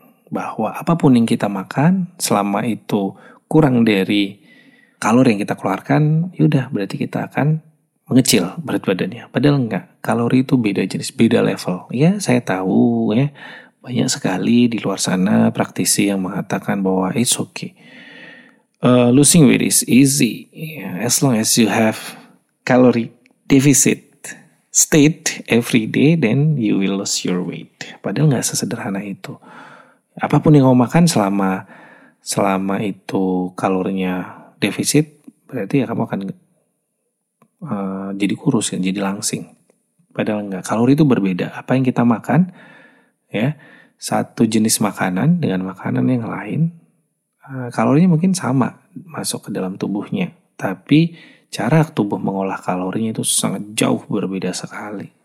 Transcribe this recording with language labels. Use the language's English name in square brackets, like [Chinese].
[Indonesian] Bahwa apapun yang kita makan selama itu kurang dari kalori yang kita keluarkan, yaudah berarti kita akan mengecil berat badannya. Padahal enggak, kalori itu beda jenis, beda level. Ya saya tahu ya, banyak sekali di luar sana praktisi yang mengatakan bahwa [English] it's okay. Losing weight is easy as long as you have calorie deficit state every day, then you will lose your weight. [Indonesian] Padahal gak sesederhana itu. Apapun yang kamu makan selama itu kalorinya defisit, berarti ya kamu akan jadi kurus ya, jadi langsing. Padahal enggak, kalori itu berbeda. Apa yang kita makan ya, satu jenis makanan dengan makanan yang lain, kalorinya mungkin sama masuk ke dalam tubuhnya, tapi cara tubuh mengolah kalorinya itu sangat jauh berbeda sekali.